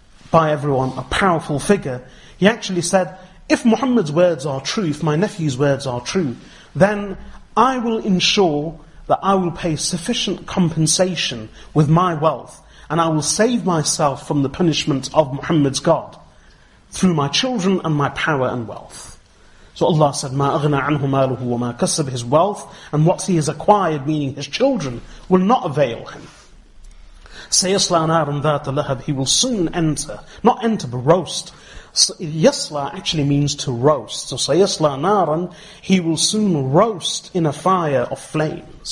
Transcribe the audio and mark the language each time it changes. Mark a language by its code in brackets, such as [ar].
[en] by everyone, a powerful figure, he actually said, if Muhammad's words are true, if my nephew's words are true, then I will ensure that I will pay sufficient compensation with my wealth, and I will save myself from the punishment of Muhammad's God through my children and my power and wealth. So Allah said, [ar] مَا أَغْنَى عَنْهُ مَالُهُ وَمَا كَسَبْ. [en] His wealth and what he has acquired, meaning his children, will not avail him. [ar] سَيَصْلَى نَارٌ ذَاتَ لَهَبٍ. [en] He will soon enter, not enter, but roast. يَصْلَى actually means to roast. So [ar] سَيَصْلَى نَارٌ, [en] he will soon roast in a fire of flame.